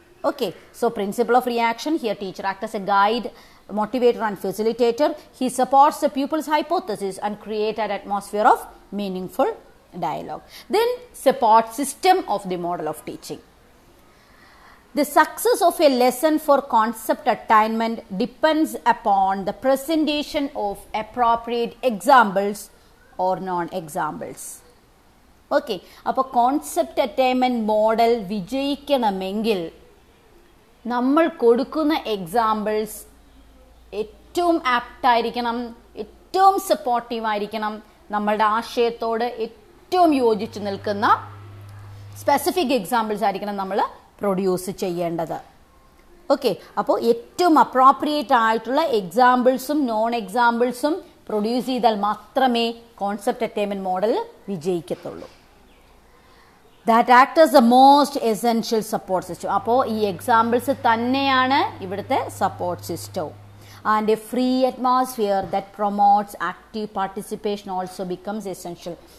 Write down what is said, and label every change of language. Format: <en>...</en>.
<en>Okay, so principle of reaction, here teacher act as a guide, motivator and facilitator. He supports the pupil's hypothesis and creates an atmosphere of meaningful dialogue. Then support system of the model of teaching. The success of a lesson for concept attainment depends upon the presentation of appropriate examples or non-examples.</en> <ml>Okay, appo concept attainment model vijayikkanamengil nammal kodukkuna examples ഏറ്റവും ആപ്റ്റായിരിക്കണം, ഏറ്റവും സപ്പോർട്ടീവായിരിക്കണം, നമ്മളുടെ ആശയത്തോട് ഏറ്റവും യോജിച്ച് നിൽക്കുന്ന specific examples ആയിരിക്കണം നമ്മൾ produce ചെയ്യേണ്ടത്. Okay, അപ്പോൾ ഏറ്റവും അപ്രോപ്രിയേറ്റ് ആയിട്ടുള്ള എക്സാമ്പിൾസും നോൺ എക്സാമ്പിൾസും പ്രൊഡ്യൂസ് ചെയ്താൽ മാത്രമേ concept attainment model വിജയിക്കത്തുള്ളൂ.</ml> <en>That act as the most essential support system.</en> <ml>Appo ee</ml> <en>examples</en> <ml>thanneyana ivadte</ml> <en>support system, and a free atmosphere that promotes active participation also becomes essential.</en>